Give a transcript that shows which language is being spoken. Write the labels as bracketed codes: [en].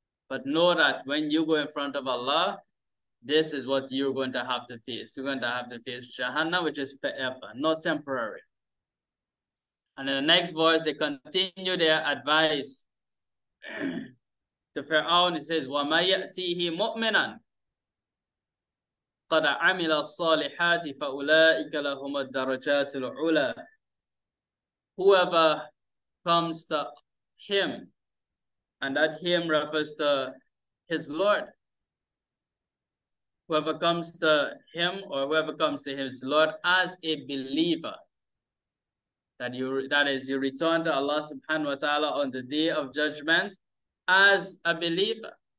[en] But know that when you go in front of Allah, this is what you're going to have to face. You're going to have to face Jahannam, which is forever, not temporary. And in the next verse, they continue their advice to Fir'aun. He says, [ar] وَمَا يَأْتِيهِ مُؤْمِنًا قَدْ عَمِلَ الصَّالِحَاتِ فَأُولَٰئِكَ لَهُمَ الدَّرَجَاتُ الْعُلَىٰ. [en] Whoever comes to him, and that him refers to his Lord. Whoever comes to him, or whoever comes to his Lord as a believer, that is, you return to Allah subhanahu wa ta'ala on the day of judgment as a believer.